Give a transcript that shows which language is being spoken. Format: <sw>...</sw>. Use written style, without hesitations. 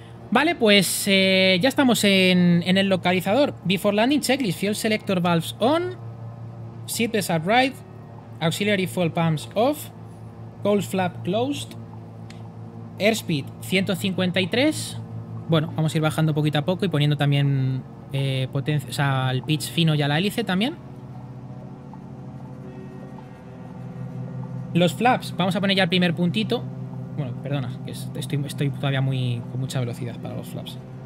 <es>Vale, pues ya estamos en el localizador.</es> <en>Before landing checklist, fuel selector valves on. Seatbelts are right, auxiliary fuel pumps off, coal flap closed, airspeed 153.</en> <es>Bueno, vamos a ir bajando poquito a poco y poniendo también potencia, o sea, el pitch fino y a la hélice también. Los flaps, vamos a poner ya el primer puntito. Bueno, perdona, que estoy todavía muy con mucha velocidad para los flaps.</es>